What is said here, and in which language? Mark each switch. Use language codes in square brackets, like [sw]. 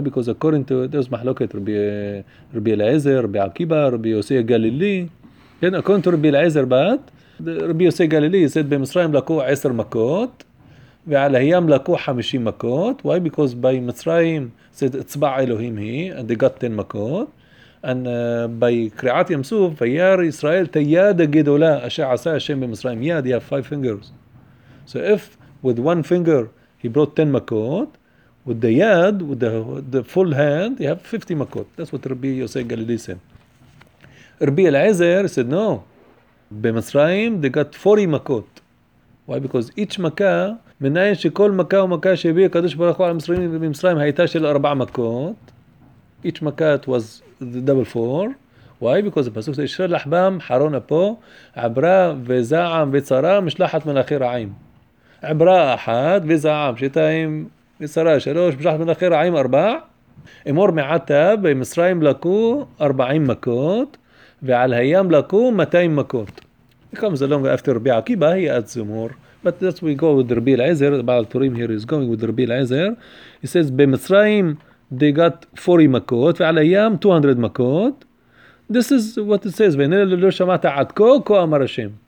[en] Because according to there's Mahloket, Rabbi Elazar, Rabbi Akiba, Rabbi Yosei Galili. Then according to Rabbi Elazar, but Rabbi Yosei Galili said, by Mitzrayim lako 10 makot. [he] ועל הים לקו 50 מכות. [en] Why? Because by Mitzrayim said [he] אצבע אלוהים היא, [en] and they got 10 [he] מכות. [en] And by [he] קריעת ים סוף, ויאר ישראל תיד הגדולה אשר עשה השם במצרים. [en] יד, he have 5 fingers. So if with one finger he brought 10 מכות, with the yad, with the full hand, he have 50 מכות. That's what Rabbi Yosei Galili said. Rabbi Elazar said, no, במצרים they got 40 מכות. Why? Because each [he] מכה, מנין שכל מכה ומכה שהביא הקדוש ברוך הוא על המצרים במצרים הייתה של 4 מכות. [en] Each מכה was the double 4. Why? Because the [he] פסוק ישר לחבם חרון אפו עברה וזעם וצרה משלחת מלאכי רעים. עברה אחת וזעם שתיים וצרה שלוש משלחת מלאכי רעים 4. אמור מעטה במצרים לקו 40 מכות ועל הים לקו 200 מכות. [en] It comes along after Rabbi Akiba, he adds more. But that's we go with Rabbi Elazar. Baal HaTorim here is going with Rabbi Elazar. He says, "Bemitzrayim they got 40 makot, [he] ve'alayam 200 makot." [en] This is what it says. [he] "Ve'nele lo shamata ad ko ko amar Hashem."